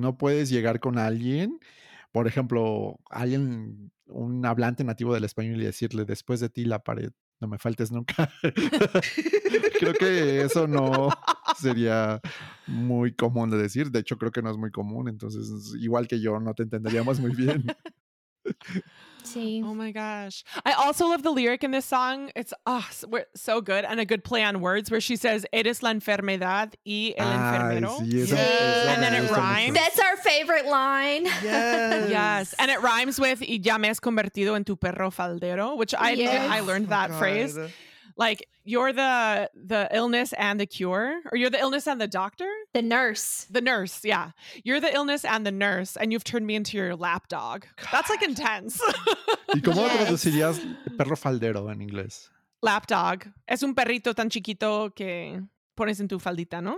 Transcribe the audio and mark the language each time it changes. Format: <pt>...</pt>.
<es>No puedes llegar con alguien, por ejemplo, alguien, un hablante nativo del español y decirle después de ti la pared. No me faltes nunca. Creo que eso no sería muy común de decir. De hecho, creo que no es muy común. Entonces, igual que yo, no te entenderíamos muy bien. Sí.</es> <en>Oh my gosh. I also love the lyric in this song. It's so good. And a good play on words where she says,</en> <es>eres la enfermedad y el enfermero. Sí,</es> <en>and then it rhymes. That's our favorite line. Yes. Yes. And it rhymes with,</en> <es>y ya me has convertido en tu perro faldero,</es> <en>which I learned that phrase. Like, you're the illness and the cure, or you're the illness and the doctor? The nurse, yeah. You're the illness and the nurse, and you've turned me into your lap dog. God. That's, like, intense.</en> <es>¿Y cómo traducirías perro faldero en inglés?</es> <en>Lap dog.</en> <es>Es un perrito tan chiquito que pones en tu faldita, ¿no?</es>